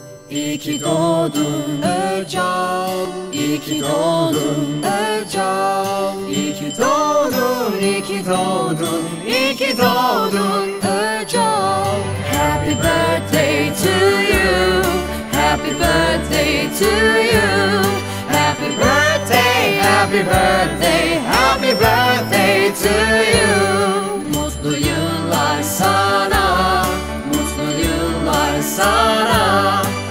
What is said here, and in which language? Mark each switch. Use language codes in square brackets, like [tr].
[tr] İyi ki doğdun Ercan, İyi ki doğdun Ercan, İyi ki doğdun, İyi ki doğdun, İyi ki doğdun Ercan. [en] Happy birthday to you, happy birthday to you, happy birthday, happy birthday, happy birthday to you. [tr] Mutlu yıllar sana, mutlu yıllar sana.